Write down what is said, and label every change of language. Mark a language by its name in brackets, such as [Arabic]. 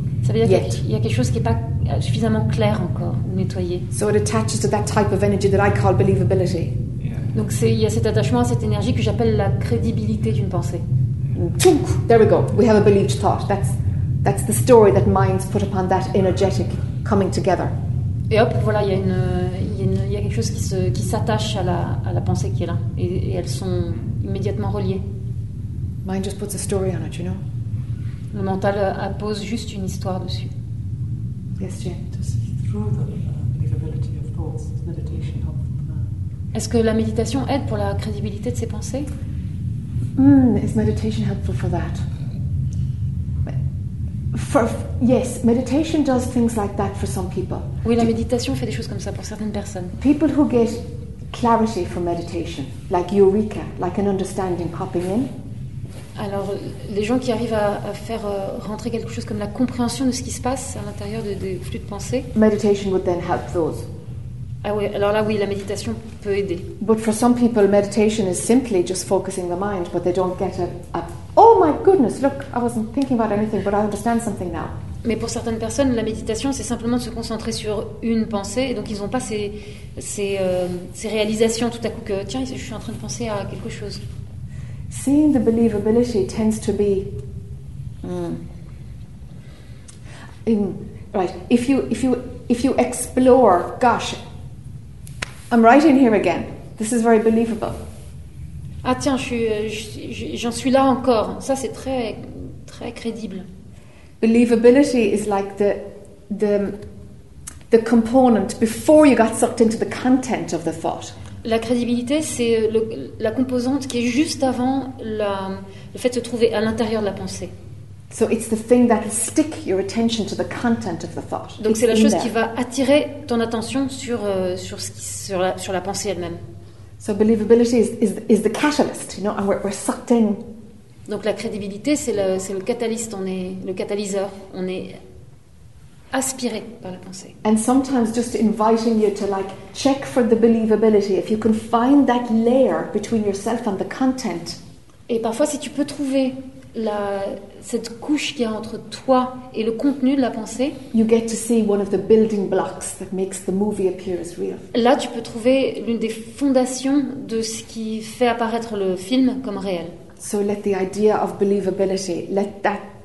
[French] Ça veut dire qu'il y a quelque chose qui n'est pas suffisamment clair encore, nettoyé. [English] So it attaches to that type of energy that I call believability. Yeah. [French] Donc il y a cet attachement à cette énergie que j'appelle la crédibilité d'une pensée. [English] Tchouk, there we go. We have a believed thought. That's the story that minds put upon that energetic coming together. [French] Et hop, voilà, il y a quelque chose qui s'attache à la pensée qui est là, et elles sont immédiatement reliées. [English] Mind just puts a story on it, you know. [French] Le mental appose juste une histoire dessus. [English] Yes, Jane. Does through the believability of thoughts, does meditation help? [French] Est-ce que la méditation aide pour la crédibilité de ses pensées? [English] Is meditation helpful for that? Yes, meditation does things like that for some people. [French] Oui, la méditation fait des choses comme ça pour certaines personnes. [English] People who get clarity from meditation, like eureka, like an understanding popping in. [French] Alors, les gens qui arrivent à faire rentrer quelque chose comme la compréhension de ce qui se passe à l'intérieur des flux de pensée. [English] Meditation would then help those. [French] Ah oui, alors là, oui, la méditation peut aider. [English] But for some people, meditation is simply just focusing the mind, but they don't get a oh my goodness, look, I wasn't thinking about anything, but I understand something now. [French] Mais pour certaines personnes, la méditation, c'est simplement de se concentrer sur une pensée, et donc ils n'ont pas ces réalisations tout à coup que tiens, je suis en train de penser à quelque chose. [English] Seeing the believability tends to be right. If you explore, gosh, I'm right in here again. This is very believable. [French] Ah tiens, j'en suis là encore. Ça c'est très très crédible. [English] Believability is like the component before you got sucked into the content of the thought. [French] La crédibilité, c'est la composante qui est juste avant le fait de se trouver à l'intérieur de la pensée. [English] So it's the thing that will stick your attention to the content of the thought. [French] Donc [English] it's [French] c'est la chose [English] there. [French] Qui va attirer ton attention sur la pensée elle-même. [English] So believability is the catalyst, you know, and we're sucked in. [French] Donc la crédibilité, c'est le catalyste, on est le catalyseur, on est aspiré par la pensée. [English] And sometimes just inviting you to like check for the believability. If you can find that layer between yourself and the content. [French] Et parfois, si tu peux trouver cette couche qu'il y a entre toi et le contenu de la pensée, [English] you get to see one of the building blocks that makes the movie appear as real. [French] Là, tu peux trouver l'une des fondations de ce qui fait apparaître le film comme réel. [English] So let the idea of believability, let that